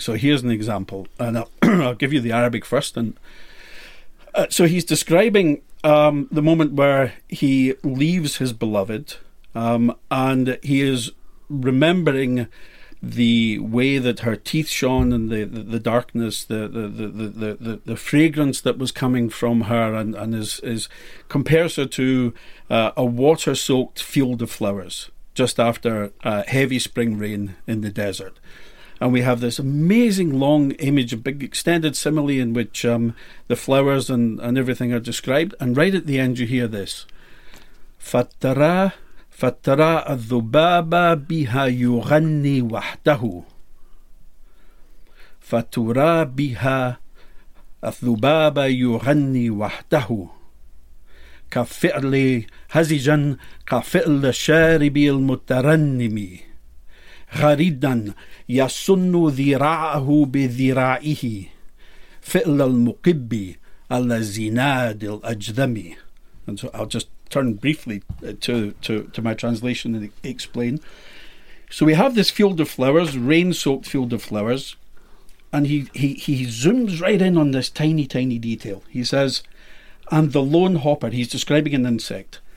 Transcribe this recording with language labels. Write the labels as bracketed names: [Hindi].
[English] So here's an example, and I'll give you the Arabic first. And so he's describing the moment where he leaves his beloved, and he is remembering the way that her teeth shone, and the darkness, the fragrance that was coming from her, and is compares her to a water-soaked field of flowers just after a heavy spring rain in the desert. And we have this amazing long image, a big extended simile in which the flowers and everything are described. And right at the end you hear this: Fattara [Arabic] فترى الذبابة بها يغني وحده فترى بها الذبابة يغني وحده كفعل هزجا كفعل الشارب المترنم غريدا يسن ذراعه بذراعه فعل المقب الذي ناد الأجدم. [English] And so I'll just turn briefly to my translation and explain. So we have this field of flowers, rain-soaked field of flowers, and he zooms right in on this tiny, tiny detail. He says, and the lone hopper, he's describing an insect,